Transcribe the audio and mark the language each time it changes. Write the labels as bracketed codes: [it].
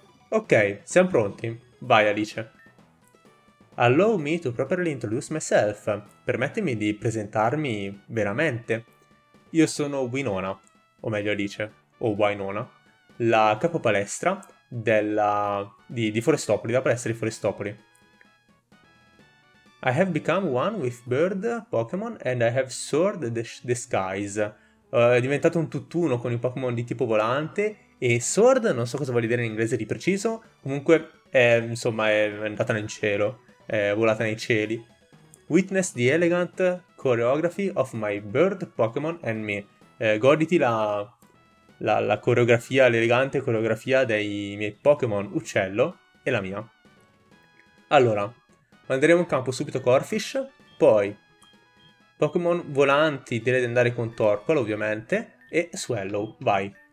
[it] Ok, siamo pronti. Vai, Alice. [en] Allow me to properly introduce myself. [it] Permettimi di presentarmi veramente. Io sono Winona, o meglio Alice, o Wynona, la capopalestra di Forestopoli, la palestra di Forestopoli. [en] I have become one with bird Pokémon and I have soared the skies. [it] È diventato un tutt'uno con i Pokémon di tipo volante e soared, non so cosa vuol dire in inglese di preciso, comunque è, insomma è andata nel cielo, è volata nei cieli. [en] Witness the elegant choreography of my bird Pokémon and me. [it] Goditi la coreografia, l'elegante coreografia dei miei Pokémon uccello e la mia. Allora. Manderemo in campo subito Corphish, poi Pokémon volanti direi di andare con Torkoal ovviamente e Swallow, vai.